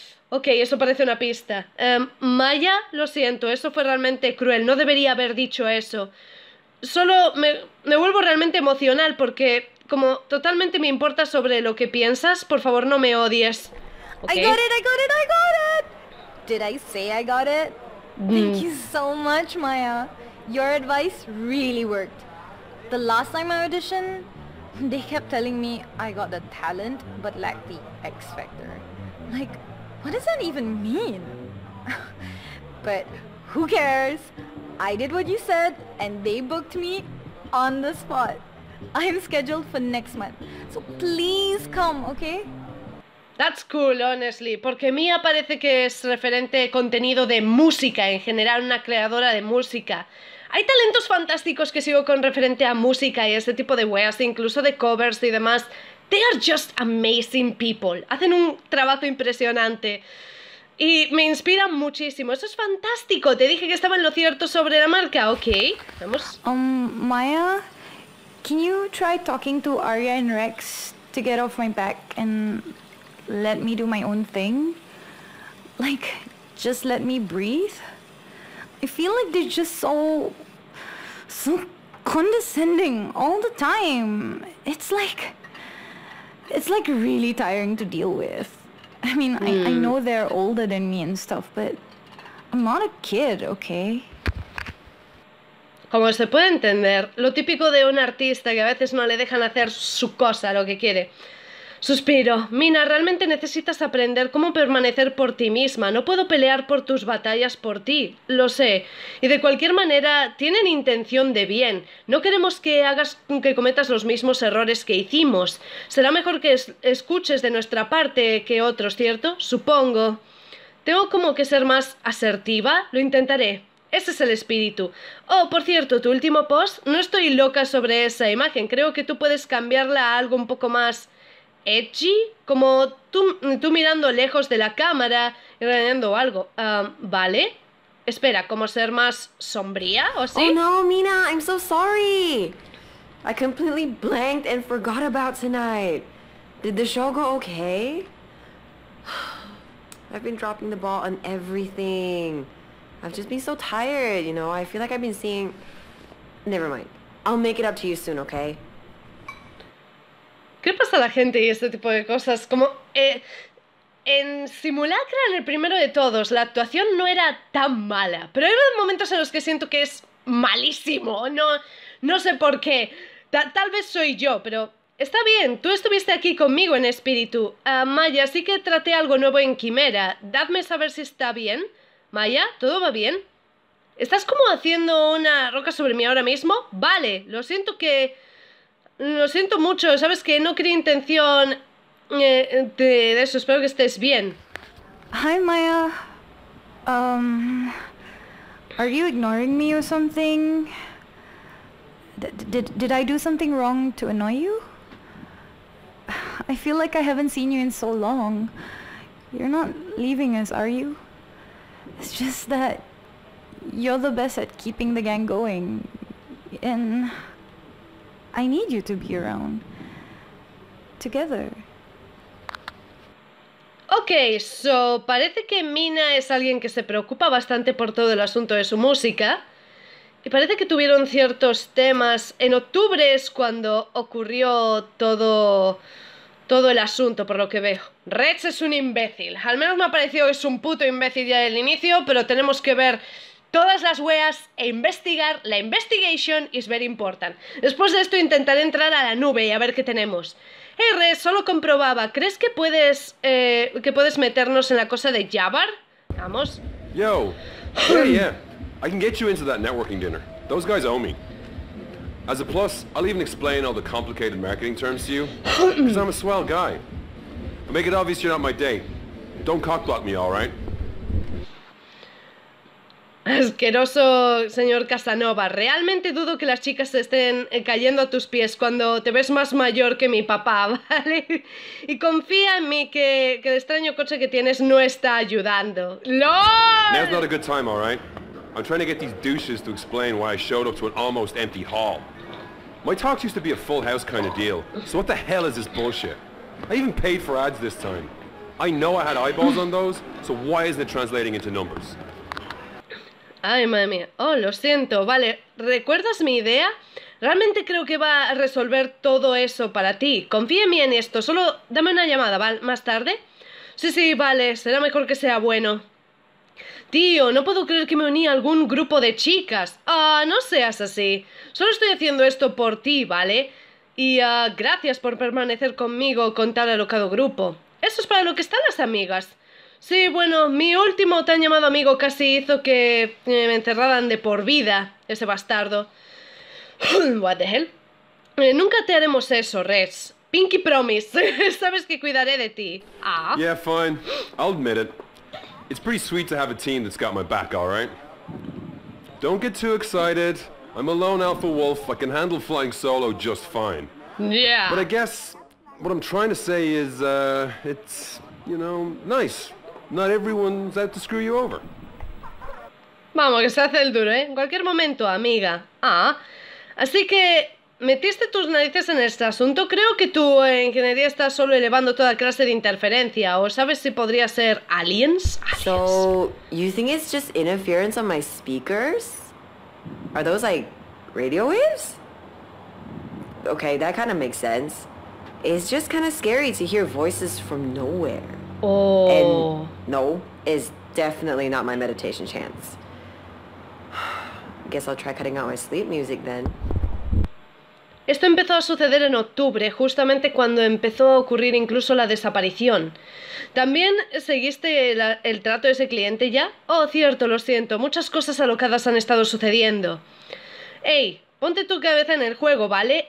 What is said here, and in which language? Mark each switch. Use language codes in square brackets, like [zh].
[es] Ok, eso parece una pista. Maya, lo siento, eso fue realmente cruel. No debería haber dicho eso. Solo me vuelvo realmente emocional porque, como totalmente me importa sobre lo que piensas, por favor no me odies. [en] Okay. I got it. Did I say I got it? Thank you so much, Maya. Your advice really worked. The last time I auditioned, they kept telling me I got the talent but lacked the X factor. Like, what does that even mean? But who cares? I did what you said and they booked me on the spot. I'm scheduled for next month. So please come, okay? That's cool, honestly, [es] porque Mia parece que es referente de contenido de música en general, una creadora de música. Hay talentos fantásticos que sigo con referente a música y este tipo de weas, incluso de covers y demás. [en] They are just amazing people. [es] Hacen un trabajo impresionante. Y me inspiran muchísimo. Eso es fantástico. Te dije que estaba en lo cierto sobre la marca. Ok, vamos. [en] Maya, can you try talking to Arya and Rex to get off my back and let me do my own thing? Like, just let me breathe? I feel like they're just so condescending all the time. It's like really tiring to deal with. I mean, I know they're older than me and stuff, but I'm not a kid, okay? [es] Como se puede entender, lo típico de un artista que a veces no le dejan hacer su cosa, lo que quiere. Suspiro. Mina, realmente necesitas aprender cómo permanecer por ti misma. No puedo pelear por tus batallas por ti. Lo sé. Y de cualquier manera, tienen intención de bien. No queremos que hagas que cometas los mismos errores que hicimos. Será mejor que escuches de nuestra parte que otros, ¿cierto? Supongo. Tengo como que ser más asertiva. Lo intentaré. Ese es el espíritu. Oh, por cierto, tu último post. No estoy loca sobre esa imagen. Creo que tú puedes cambiarla a algo un poco más edgy, como tú mirando lejos de la cámara y regañando algo. ¿Vale? Espera, ¿cómo ser más sombría o así? [en] Oh no, Mina, I'm so sorry. I completely blanked and forgot about tonight. Did the show go okay? I've been dropping the ball on everything. I've just been so tired, you know. I feel like I've been seeing... Never mind. I'll make it up to you soon, okay? [es] ¿Qué pasa a la gente y este tipo de cosas? Como, en Simulacra, en el primero de todos, la actuación no era tan mala. Pero hay momentos en los que siento que es malísimo. No sé por qué. Tal vez soy yo, pero está bien. Tú estuviste aquí conmigo en espíritu. Maya, sí que traté algo nuevo en Quimera. Dadme saber si está bien. Maya, ¿todo va bien? ¿Estás como haciendo una roca sobre mí ahora mismo? Vale, lo siento que... Lo siento mucho, sabes que no quería intención de eso. Espero que estés bien. [en] Hi, Maya. Are you ignoring me or something? Did I do something wrong to annoy you? I feel like I haven't seen you in so long. You're not leaving us, are you? It's just that you're the best at keeping the gang going. And I need you to be around. Together. Okay, so [es] parece que Mina es alguien que se preocupa bastante por todo el asunto de su música. Y parece que tuvieron ciertos temas. En octubre es cuando ocurrió todo el asunto, por lo que veo. Rex es un imbécil. Al menos me ha parecido que es un puto imbécil ya del inicio, pero tenemos que ver todas las weas e investigar. [en] La investigation is very important. [es] Después de esto intentaré entrar a la nube y a ver qué tenemos. Hey, Rex, solo comprobaba. ¿Crees que puedes meternos en la cosa de Jabbar? Vamos. [en] Yo. Yeah, yeah. I can get you into that networking dinner. Those guys owe me. As a plus, I'll even explain all the complicated marketing terms to you. Because I'm a swell guy. But make it obvious you're not my date. Don't cockblock me, all right? [es] Asqueroso señor Casanova. Realmente dudo que las chicas estén cayendo a tus pies cuando te ves más mayor que mi papá, ¿vale? Y confía en mí que el extraño coche que tienes no está ayudando. ¡LOL! [en] Now's not a good time, all right? I'm trying to get these douches to explain why I showed up to an almost empty hall. My talks used to be a full house kind of deal, so what the hell is this bullshit? I even paid for ads this time. I know I had eyeballs on those, so why isn't it translating into numbers? [es] Ay, madre mía. Oh, lo siento. Vale, ¿recuerdas mi idea? Realmente creo que va a resolver todo eso para ti. Confía en mí en esto. Solo dame una llamada, ¿vale? ¿Más tarde? Sí, vale. Será mejor que sea bueno. tío, no puedo creer que me uní a algún grupo de chicas. Ah, no seas así. Solo estoy haciendo esto por ti, ¿vale? Y gracias por permanecer conmigo con tal alocado grupo. Eso es para lo que están las amigas. Sí, bueno, mi último tan llamado amigo casi hizo que me encerraran de por vida, ese bastardo. [en] What the hell? [es] Nunca te haremos eso, Rex. [en] Pinky promise. [es] Sabes que cuidaré de ti. Ah. [en] Yeah, fine. I'll admit it. It's pretty sweet to have a team that's got my back, all right? Don't get too excited. I'm a lone alpha wolf. I can handle flying solo just fine. Yeah. But I guess what I'm trying to say is, it's, you know, nice. Not everyone's out to screw you over. [es] Vamos, que se hace el duro, ¿eh? En cualquier momento, amiga. Ah. Así que metiste tus narices en este asunto. Creo que tu ingeniería está solo elevando toda clase de interferencia. ¿O sabes si podría ser aliens? [en] So, you think it's just interference on my speakers? Are those like radio waves? Okay, that kind of makes sense. It's just kind of scary to hear voices from nowhere. Oh. And no, is definitely not my meditation chance. Guess I'll try cutting out my sleep music then. [es] Esto empezó a suceder en octubre, justamente cuando empezó a ocurrir incluso la desaparición. ¿También seguiste el trato de ese cliente ya? Oh, cierto, lo siento. Muchas cosas alocadas han estado sucediendo. Ey, ponte tu cabeza en el juego, ¿vale?